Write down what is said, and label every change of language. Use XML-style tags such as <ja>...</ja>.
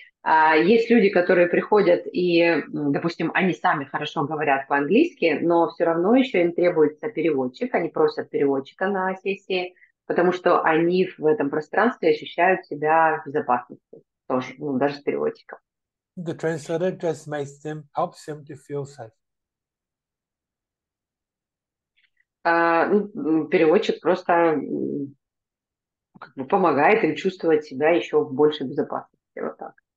<ru>Есть люди, которые приходят и, допустим, они сами хорошо говорят по-английски, но все равно еще им требуется переводчик, они просят переводчика на сессии, потому что они в этом пространстве ощущают себя в безопасности, тоже, ну, даже с переводчиком.</ru> <en>The translator just makes them, helps them to feel safe.</en> <ru>Переводчик просто как бы помогает им чувствовать себя еще в большей безопасности, вот так.</ru>